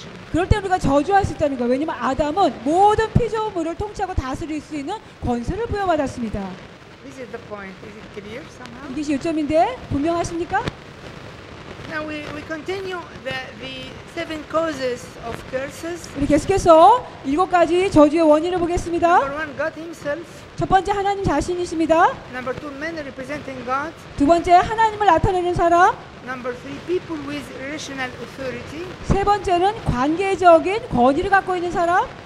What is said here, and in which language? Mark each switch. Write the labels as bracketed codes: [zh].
[ko] 그럴 때 우리가 저주할 수 있다는 거예요. 왜냐하면 아담은 모든 피조물을 통치하고 다스릴 수 있는 권세를 부여받았습니다. [en] This is the point. Is it clear somehow? [ko] 이게 요점인데 분명하십니까? [en] Now we continue the seven causes of curses. [ko] 우리 계속해서 일곱 가지 저주의 원인을 보겠습니다. [en] Number one, God himself. [ko] 첫 번째 하나님 자신이십니다. [en] Number two, men representing God. [ko] 두 번째 하나님을 나타내는 사람. [en] Number three, people with relational authority. [ko] 세 번째는 관계적인 권위를 갖고 있는 사람.